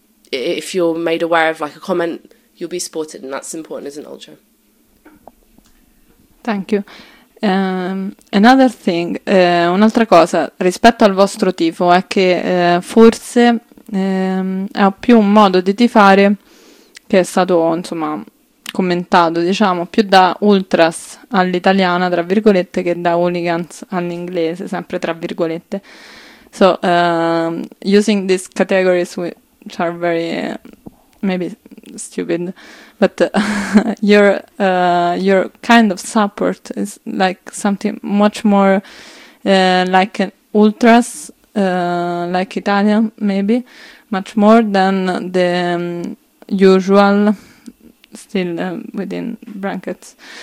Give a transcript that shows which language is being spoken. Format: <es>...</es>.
<en>If you're made aware of like a comment, you'll be supported, and that's important as an ultra. Thank you. Another thing,</en> <it>un'altra cosa rispetto al vostro tifo è che forse è più un modo di tifare che è stato, insomma, commentato, diciamo, più da ultras all'italiana, tra virgolette, che da hooligans all'inglese, sempre tra virgolette.</it> <en>So, using these categories, which are very, maybe stupid, but your kind of support is like something much more like an ultras, like Italian, maybe much more than the usual, still within brackets,</en>